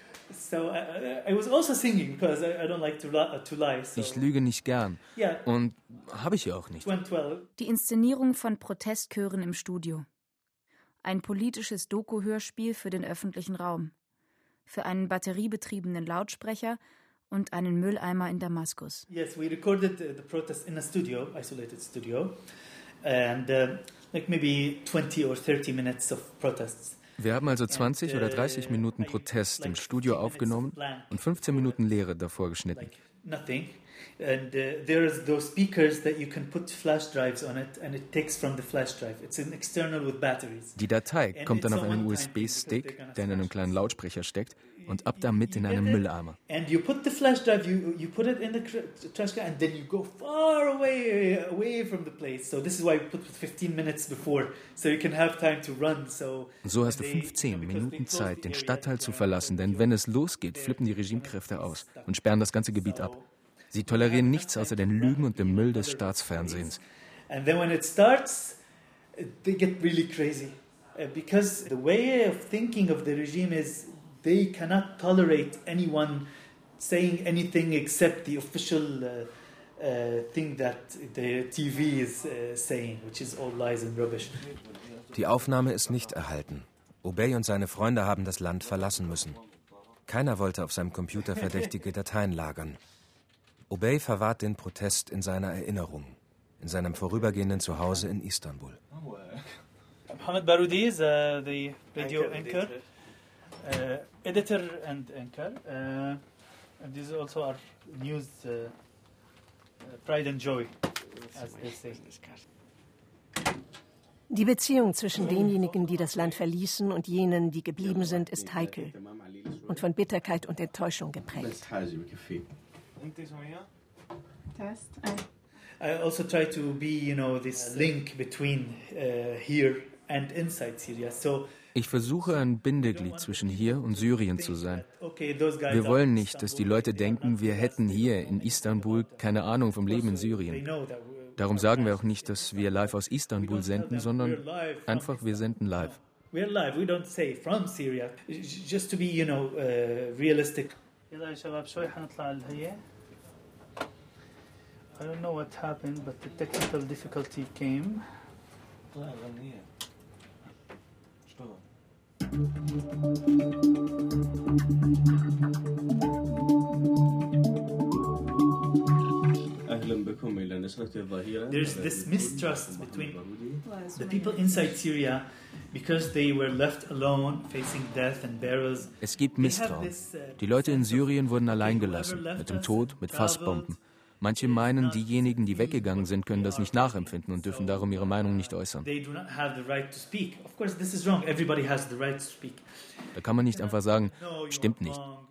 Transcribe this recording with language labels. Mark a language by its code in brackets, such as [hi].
[de] Ich lüge nicht gern. Und habe ich ja auch nicht. Die Inszenierung von Protestchören im Studio. Ein politisches Doku-Hörspiel für den öffentlichen Raum. Für einen batteriebetriebenen Lautsprecher und einen Mülleimer in Damaskus. [en] Yes, we recorded the protest in a studio, isolated studio. And like maybe 20 or 30 minutes of protests. [de] Wir haben also 20 oder 30 Minuten Protest im Studio aufgenommen und 15 Minuten Leere davor geschnitten. [en] And there is those speakers that you can put flash drives on it and it takes from the flash drive. It's an external with batteries. [de] Die Datei kommt dann auf einen USB-Stick, der in einem kleinen Lautsprecher steckt, und ab damit in einem Mülleimer. [en] And you put the flash drive, you put it in the trash can and then you go far away from the place. So this is why we put 15 minutes before, so you can have time to run. [de] So hast du 15 Minuten Zeit, den Stadtteil zu verlassen, denn wenn es losgeht, flippen die Regimekräfte aus und sperren das ganze Gebiet ab. Sie tolerieren nichts außer den Lügen und dem Müll des Staatsfernsehens. [en] And then when it starts, they get really crazy, because the way of thinking of the regime is they cannot tolerate anyone saying anything except the official thing that the TV is saying, which is all lies and rubbish. [de] Die Aufnahme ist nicht erhalten. Obey und seine Freunde haben das Land verlassen müssen. Keiner wollte auf seinem Computer verdächtige Dateien lagern. Obey verwahrt den Protest in seiner Erinnerung, in seinem vorübergehenden Zuhause in Istanbul. [en] Mohamed Baroudi [de] ist [en] the radio anchor, editor and anchor. And this is also our news, pride and joy, as they say. [de] Die Beziehung zwischen denjenigen, die das Land verließen, und jenen, die geblieben sind, ist heikel und von Bitterkeit und Enttäuschung geprägt. [en] I also try to be, you know, this link between here and inside Syria. [de] So ich versuche, ein Bindeglied zwischen hier und Syrien zu sein. Wir wollen nicht, dass die Leute denken, wir hätten hier in Istanbul keine Ahnung vom Leben in Syrien. Darum sagen wir auch nicht, dass wir live aus Istanbul senden, sondern einfach, wir senden live. [en] We're live. We don't say from Syria. Just to be, you know, realistic. I don't know what happened, but the technical difficulty came. There's this mistrust between the people inside Syria, because they were left alone, facing death and barrels. [de] Es gibt Misstrauen. Die Leute in Syrien wurden allein gelassen, mit dem Tod, mit Fassbomben. Manche meinen, diejenigen, die weggegangen sind, können das nicht nachempfinden und dürfen darum ihre Meinung nicht äußern. Da kann man nicht einfach sagen, stimmt nicht.